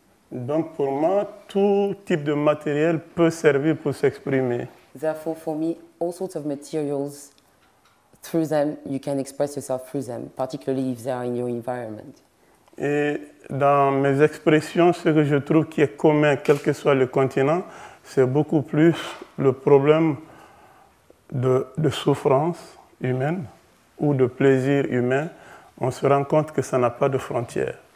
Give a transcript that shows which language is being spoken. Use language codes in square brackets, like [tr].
[fr] Donc pour moi, tout type de matériel peut servir pour s'exprimer. [en] Therefore, for me, all sorts of materials through them, you can express yourself through them, particularly if they are in your environment. [fr] Et dans mes expressions, ce que je trouve qui est commun, quel que soit le continent, c'est beaucoup plus le problème de souffrance humaine ou de plaisir humain. On se rend compte que ça n'a pas de frontières.